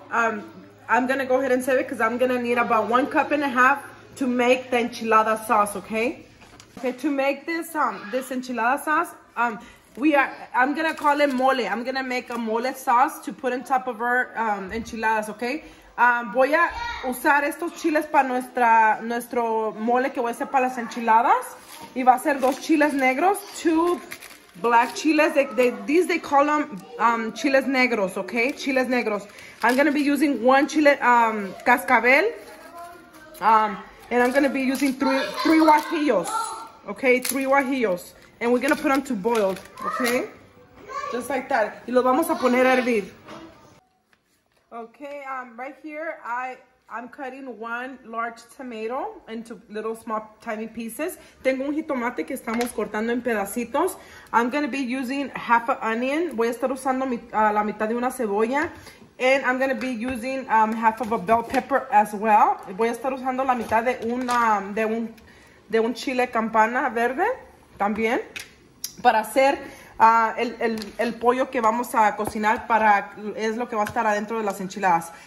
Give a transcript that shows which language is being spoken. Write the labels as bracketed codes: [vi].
[en] I'm gonna go ahead and save it because I'm gonna need about 1.5 cups to make the enchilada sauce, okay? Okay, to make this enchilada sauce, I'm gonna call it mole. I'm gonna make a mole sauce to put on top of our enchiladas, okay? [es] Voy a usar estos chiles para nuestro mole que voy a hacer para las enchiladas. Y va a ser 2 chiles negros, [en] 2 black chiles. They call them chiles negros, okay? Chiles negros. I'm gonna be using 1 chile cascabel, and I'm gonna be using three guajillos, okay? 3 guajillos, and we're gonna put them to boil, okay? Just like that. [es] Y los vamos a poner a hervir. [en] Okay, right here I'm cutting 1 large tomato into little small tiny pieces. [es] Tengo un jitomate que estamos cortando en pedacitos. [en] I'm gonna be using 1/2 onion. [es] Voy a estar usando la mitad de una cebolla. [en] And I'm gonna be using 1/2 bell pepper as well. [es] Voy a estar usando la mitad de un chile campana verde también para hacer el pollo que vamos a cocinar para es lo que va a estar adentro de las enchiladas.